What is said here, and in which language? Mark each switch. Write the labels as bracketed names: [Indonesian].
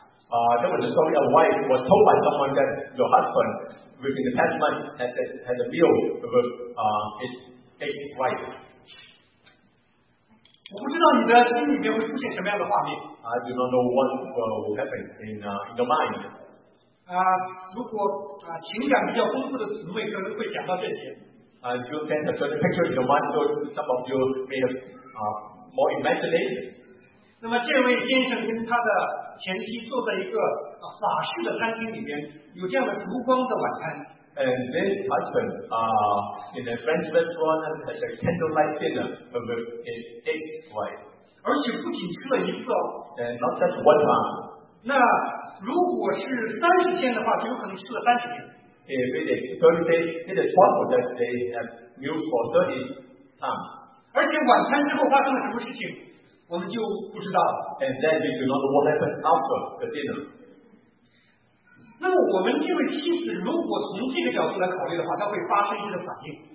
[English] There was a story of a wife was told by someone that your husband within the past month had a meal with his ex-wife. [Chinese] 我不知道你的心里面会出现什么样的画面。 [English] I do not know what will happen in your mind. [Chinese] 如果情感比较丰富的词汇可能会讲到这些。 [English] You can have certain pictures in your mind, or some of you may have more imagination. [Chinese] 那么这位先生跟他的前妻坐在一个法式的餐厅里面，有这样的烛光的晚餐。 [English] And this husband, in a French restaurant, has a candlelight dinner with his ex-wife. [Chinese] 而且不仅吃了一次哦。 [English] And not just one time. [Chinese] 那如果是三十天的话，就有可能吃了三十天。 [English] If it is 30 days, it is possible that they have meals for 30 times. [Chinese] 而且晚餐之后发生了什么事情，我们就不知道了。 [English] And then we do not know what happened after the dinner. [Chinese] 那么我们这位妻子如果从这个角度来考虑的话，她会发生一些反应。